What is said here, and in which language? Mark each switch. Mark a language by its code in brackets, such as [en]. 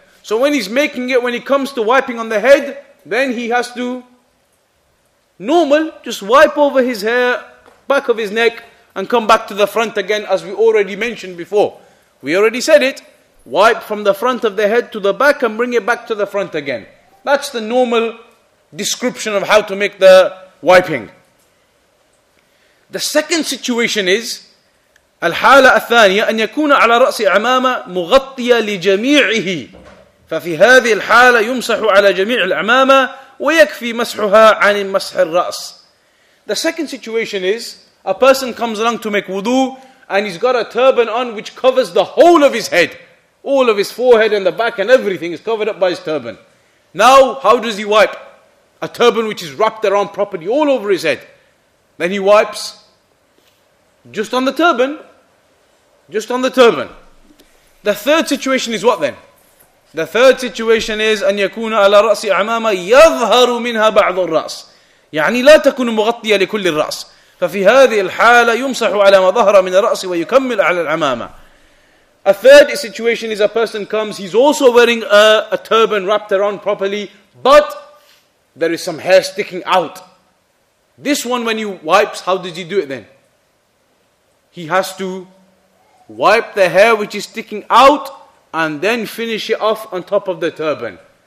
[en] So when he's making it, when he comes to wiping on the head, then he has to, normal, just wipe over his hair, back of his neck, and come back to the front again, as we already mentioned before. We already said it, wipe from the front of the head to the back and bring it back to the front again. That's the normal description of how to make the wiping. The second situation is, [ar] الحالة الثانية أن يكون على رأس عمامة مغطية لجميعه ففي هذه الحالة يمسح على جميع العمامة ويكفي مسحها عن مسح الرأس. [en] The second situation is, a person comes along to make wudu and he's got a turban on which covers the whole of his head. All of his forehead and the back and everything is covered up by his turban. Now, how does he wipe? A turban which is wrapped around properly all over his head. Then he wipes just on the turban. Just on the turban. The third situation is what then? The third situation is [ar] أن يكون على رأس عمامة يظهر منها بعض الرأس. يعني لا تكون مغطية لكل الرأس. ففي هذه الحالة يمسح على ما ظهر من الرأس ويكمل على العمامة. [en] A third situation is a person comes, he's also wearing a turban wrapped around properly, but there is some hair sticking out. This one, when he wipes, how does he do it then? he has to wipe the hair which is sticking out and then finish it off on top of the turban.